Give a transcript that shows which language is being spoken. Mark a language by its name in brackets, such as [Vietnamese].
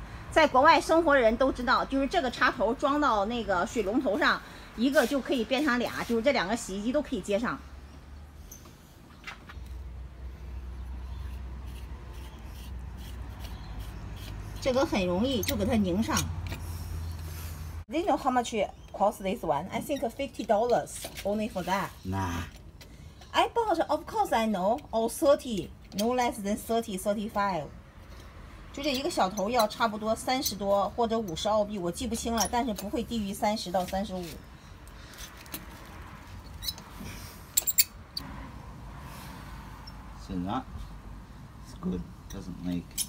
[Chinese] 在国外生活的人都知道，就是这个插头装到那个水龙头上，一个就可以变成俩，就是这两个洗衣机都可以接上。这个很容易，就给它拧上。 [English] Do you know how much it costs this one? I think $50 only for that. Nah. I bought, of course I know, or 30, no less than 30, 35. [Chinese] 就这一个小头要差不多30多或者50澳币，我记不清了，但是不会低于30到35。 [English] So not, it's good, doesn't leak.